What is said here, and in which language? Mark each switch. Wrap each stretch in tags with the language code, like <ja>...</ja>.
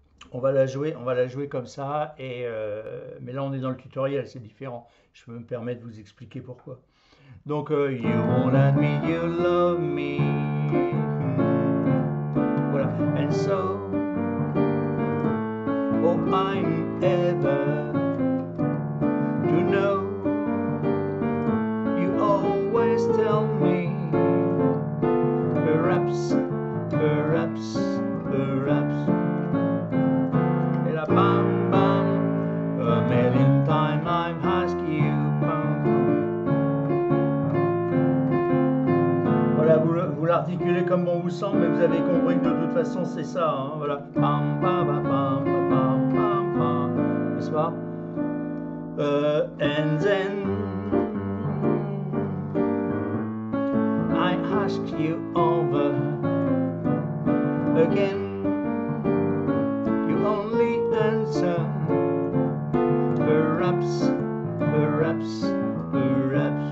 <fr>On va la jouer comme ça, mais là on est dans le tutoriel, c'est différent. Je peux me permettre de vous expliquer pourquoi. Donc,</fr> <en>you won't admit you love me. And so, hope I'm ever to know. You always tell me, perhaps, perhaps, perhaps.</en> <fr>Et là,</fr> <en>bam, bam, a million times I'm asking you. Bam.</en> <fr>Voilà, vous l'articulez comme bon vous semble, mais vous avez compris que de toute façon, c'est ça, hein, voilà. Pam, pam, pam, pam, pam, pam, pam. N'est-ce pas?</fr> <en>And then I ask you over again. You only answer perhaps, perhaps, perhaps.</en>